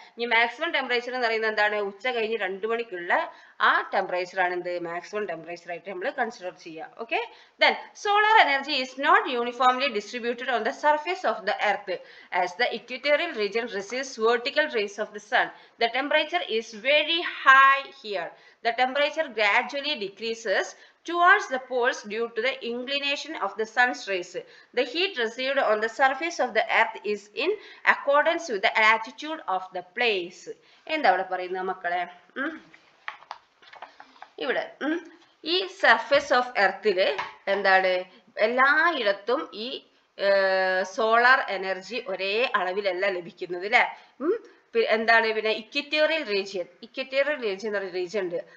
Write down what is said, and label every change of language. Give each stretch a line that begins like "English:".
Malayalam: ഇനി maximum temperature എന്ന് പറയുന്നത് എന്താണ്? ഉച്ച കഴിഞ്ഞ് 2 മണിക്കുള്ള ആ ടെമ്പറേച്ചറാണ് എന്ത് മാക്സിമം ടെമ്പറേച്ചർ ആയിട്ട് നമ്മൾ കൺസിഡർ ചെയ്യുക.
English: Okay, then solar energy is not uniformly distributed on the surface of the earth as the equatorial region receives vertical rays of the sun. The temperature is very high here. The temperature gradually decreases towards the poles due to the inclination of the sun's rays. The heat received on the surface of the earth is in accordance with the latitude of the place.
Malayalam: എന്താ ഇവിടെ പറയുന്നത് മക്കളെ? ഇവിടെ ഈ surface of എർത്തില് എന്താണ്, എല്ലായിടത്തും ഈ solar energy ഒരേ അളവിലല്ല ലഭിക്കുന്നത് അല്ലേ. എന്താണ് പിന്നെ ഇക്വറ്റോറിയൽ റീജിയൻ, ഇക്വറ്റോറിയൽ റീജിയൻ എന്ന് പറയുന്ന റീജിയൻ ഉണ്ട്.